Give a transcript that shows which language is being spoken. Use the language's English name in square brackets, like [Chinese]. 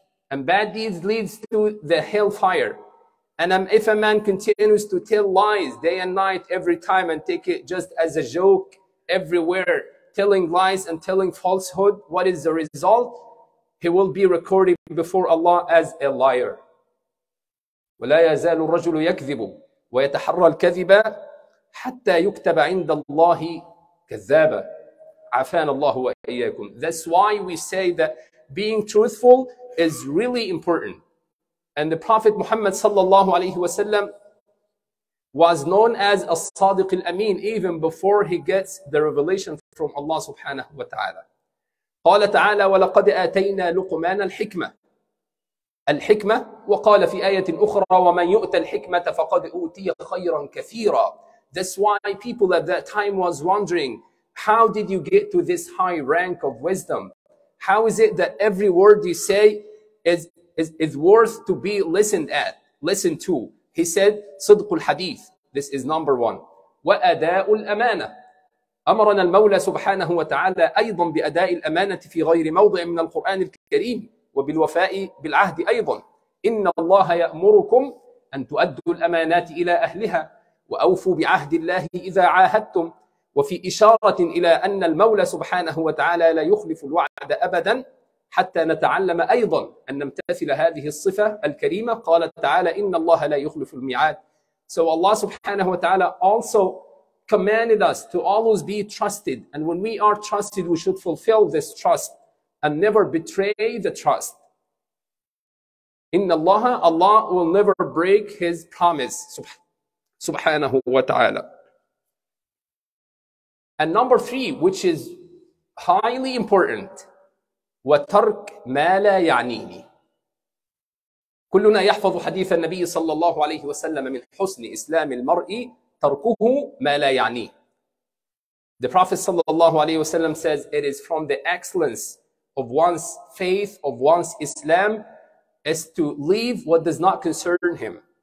[English] And bad deeds leads to the hellfire. And if a man continues to tell lies day and night every time and take it just as a joke everywhere, telling lies and telling falsehood, what is the result? He will be recorded before Allah as a liar. [Arabic] وَلَا يَزَالُ الرَّجُلُ يَكْذِبُ وَيَتَحَرَّى الْكَذِبَ حَتَّى يُكْتَبَ عِنْدَ اللَّهِ كَذَّابًا عَفَانَ اللَّهُ وَإِيَّاكُمْ [English] That's why we say that being truthful is really important. And the Prophet Muhammad sallallahu alayhi wa sallam was known as الصادق الأمين even before he gets the revelation from Allah subhanahu wa ta'ala. [Arabic] قال تعالى ولقد آتينا لقمان الحكمة الحكمة وقال في آية أخرى ومن يؤت الحكمة فقد أوتي خيرا كثيرا [English] That's why people at that time was wondering how did you get to this high rank of wisdom? How is it that every word you say is worth to be listened at, listened to? He said [Arabic] صدق الحديث [English] This is number one [Arabic] وأداء الأمانة أمرنا المولى سبحانه وتعالى أيضا بأداء الأمانة في غير موضع من القرآن الكريم وبالوفاء بالعهد أيضا إن الله يأمركم أن تؤدوا الأمانات إلى أهلها وأوفوا بعهد الله إذا عاهدتم وفي إشارة إلى أن المولى سبحانه وتعالى لا يخلف الوعد أبدا حتى نتعلم أيضا أن نمتثل هذه الصفة الكريمة قال تعالى إن الله لا يخلف الميعاد [English] So Allah subhanahu wa ta'ala also commanded us to always be trusted. And when we are trusted, we should fulfill this trust and never betray the trust. [Arabic] إِنَّ اللَّهَ [English] Allah will never break his promise. [Arabic] سبحانه وتعالى. [English] And number three, which is highly important, [Arabic] وَتَرْكْ مَا لَا يَعْنِينِ كُلُّنَا يَحْفَظُ حَدِيثَ النَّبِيِّ صَلَّى اللَّهُ عَلَيْهِ وَسَلَّمَ مِنْ حُسْنِ إِسْلَامِ الْمَرْءِ تَرْكُهُ مَا لَا يَعْنِيهِ [English] The Prophet sallallahu alayhi wa sallam says, it is from the excellence of one's faith, of one's Islam, is to leave what does not concern him.